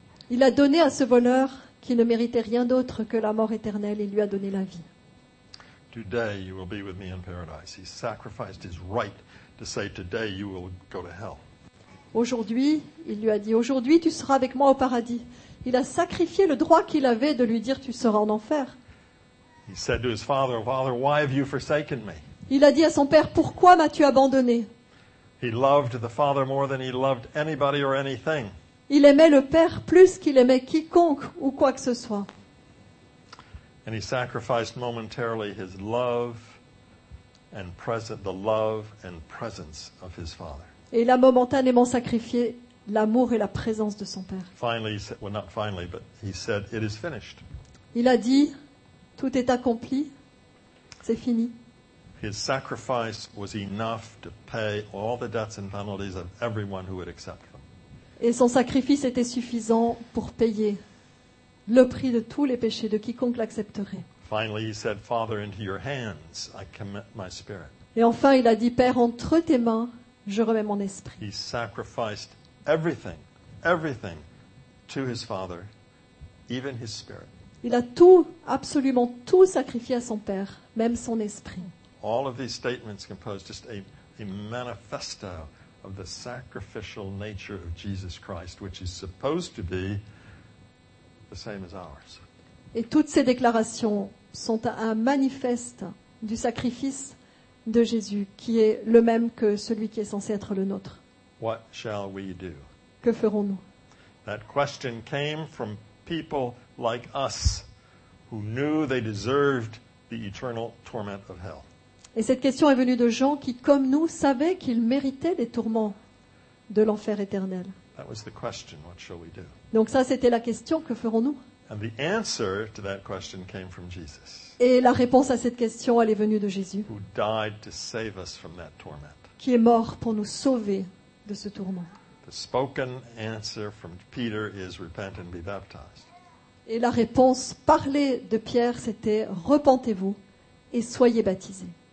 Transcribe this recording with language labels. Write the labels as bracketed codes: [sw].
[fr] Il a donné à ce voleur qui ne méritait rien d'autre que la mort éternelle, il lui a donné la vie. [en] Today you will be with me in paradise. He sacrificed his right to say today you will go to hell. [fr] Aujourd'hui, il lui a dit, aujourd'hui tu seras avec moi au paradis. Il a sacrifié le droit qu'il avait de lui dire tu seras en enfer. [en] He said to his father, Father, why have you forsaken me? [fr] Il a dit à son père, pourquoi m'as-tu abandonné? [en] He loved the father more than he loved anybody or anything. [fr] Il aimait le père plus qu'il aimait quiconque ou quoi que ce soit. [en] And he sacrificed momentarily his love and the love and presence of his father. [fr] Et il a momentanément sacrifié l'amour et la présence de son père. [en] Finally, well, not finally, but he said, it is finished. [fr] Il a dit, tout est accompli, c'est fini. [en] His sacrifice was enough to pay all the debts and penalties of everyone who would accept them. [fr] Et son sacrifice était suffisant pour payer le prix de tous les péchés de quiconque l'accepterait. [en] Finally, he said, Father, into your hands I commit my spirit. [fr] Et enfin, il a dit, Père, entre tes mains, je remets mon esprit. [en] He sacrificed everything to his father, even his spirit. [fr] Il a tout, absolument tout sacrifié à son père, même son esprit. [en] All of these statements compose just a manifesto of the sacrificial nature of Jesus Christ, which is supposed to be the same as ours. [fr] Et toutes ces déclarations sont un manifeste du sacrifice de Jésus, qui est le même que celui qui est censé être le nôtre. [en] What shall we do? [fr] Que ferons-nous? [en] That question came from people like us who knew they deserved the eternal torment of hell. [fr] Et cette question est venue de gens qui, comme nous, savaient qu'ils méritaient les tourments de l'enfer éternel. [en] That was the question, what shall we do? [fr] Donc ça, c'était la question, que ferons-nous? [en] And the answer to that question came from Jesus. [fr] Et la réponse à cette question, elle est venue de Jésus. [en] Who died to save us from that torment. [fr] Qui est mort pour nous sauver de ce tourment. [en] The spoken answer from Peter is repent and be baptized. [fr] Et la réponse parlée de Pierre, c'était repentez-vous et soyez baptisés.